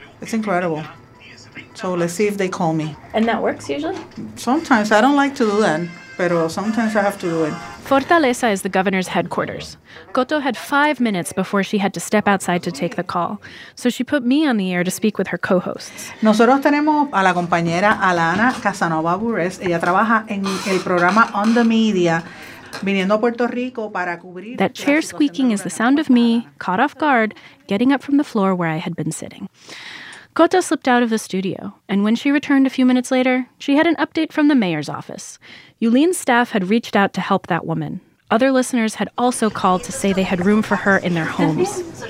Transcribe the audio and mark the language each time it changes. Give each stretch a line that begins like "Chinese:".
English: It's incredible. So let's see if they call me. And that works usually? Sometimes. I don't like to do that, but sometimes I have to do it. Fortaleza is the governor's headquarters. Coto had 5 minutes before she had to step outside to take the call. So she put me on the air to speak with her co-hosts.
Spanish: Nosotros tenemos a la compañera Alana Casanova Burres. Ella trabaja en el programa On the Media.
English: That chair squeaking is the sound of me, caught off guard, getting up from the floor where I had been sitting. Coto slipped out of the studio, and when she returned a few minutes later, she had an update from the mayor's office. Yulín's staff had reached out to help that woman. Other listeners had also called to say they had room for her in their homes.